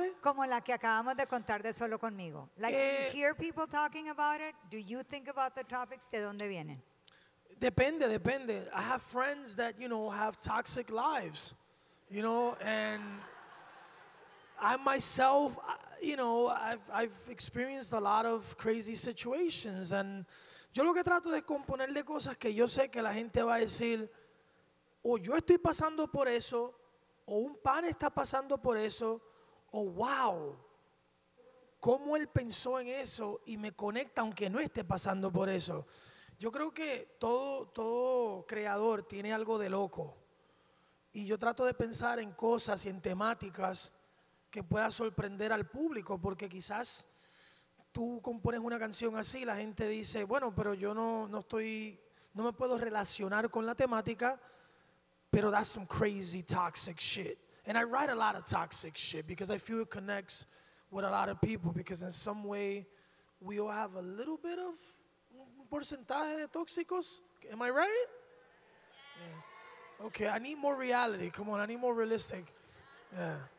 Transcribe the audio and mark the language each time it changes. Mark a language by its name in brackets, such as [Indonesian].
[Spanish] Como la que acabamos de contar de Solo Conmigo. [English] Like, do you hear people talking about it? Do you think about the topics? [Spanish] ¿De dónde vienen? Depende. [English] I have friends that, you know, have toxic lives. You know, and I myself, you know, I've experienced a lot of crazy situations. [Spanish] And yo lo que trato de componerle cosas que yo sé que la gente va a decir, o yo estoy pasando por eso, o un pan está pasando por eso, o wow, cómo él pensó en eso y me conecta aunque no esté pasando por eso. Yo creo que todo creador tiene algo de loco. Y yo trato de pensar en cosas y en temáticas que pueda sorprender al público, porque quizás tú compones una canción así, la gente dice, bueno, pero yo no me puedo relacionar con la temática, pero [English] that's some crazy toxic shit. And I write a lot of toxic shit because I feel it connects with a lot of people, because in some way we all have a little bit of [Spanish] porcentaje de tóxicos. [English] Am I right? Yeah. Okay, I need more reality. Come on, I need more realistic. Yeah.